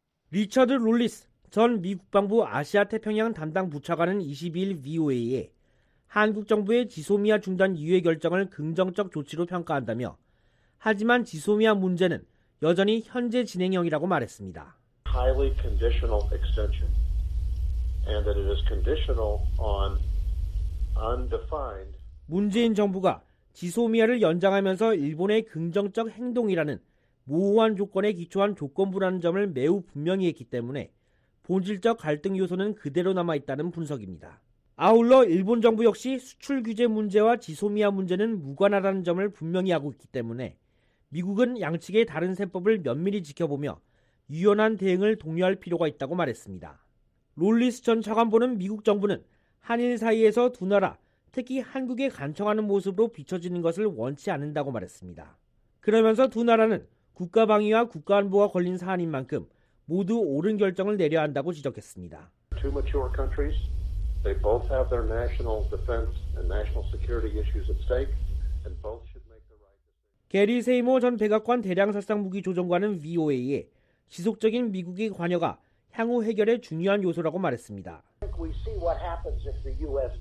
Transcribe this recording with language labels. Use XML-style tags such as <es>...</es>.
<ko>리처드 롤리스 전 미 국방부 아시아태평양 담당 부차관은 22일 VOA에 한국 정부의 지소미아 중단 유예 결정을 긍정적 조치로 평가한다며 하지만 지소미아 문제는 여전히 현재 진행형이라고 말했습니다.</ko> <en>Highly conditional extension and that it is conditional on undefined.</en> <ko>문재인 정부가 지소미아를 연장하면서 일본의 긍정적 행동이라는 모호한 조건에 기초한 조건부라는 점을 매우 분명히 했기 때문에 본질적 갈등 요소는 그대로 남아있다는 분석입니다. 아울러 일본 정부 역시 수출 규제 문제와 지소미아 문제는 무관하다는 점을 분명히 하고 있기 때문에 미국은 양측의 다른 셈법을 면밀히 지켜보며 유연한 대응을 독려할 필요가 있다고 말했습니다. 롤리스 전 차관보는 미국 정부는 한일 사이에서 두 나라, 특히 한국에 간청하는 모습으로 비춰지는 것을 원치 않는다고 말했습니다. 그러면서 두 나라는 국가방위와 국가안보가 걸린 사안인 만큼 모두 옳은 결정을 내려야 한다고 지적했습니다.</ko> <en>Two mature countries, they both have their national defense and national security issues at stake, and both should make the right decision.</en> <ko>게리 세이모 전 백악관 대량살상 무기 조정관은 VOA에 지속적인 미국의 관여가 향후 해결의 중요한 요소라고 말했습니다.</ko> <en>I think we see what happens if the U.S.</en>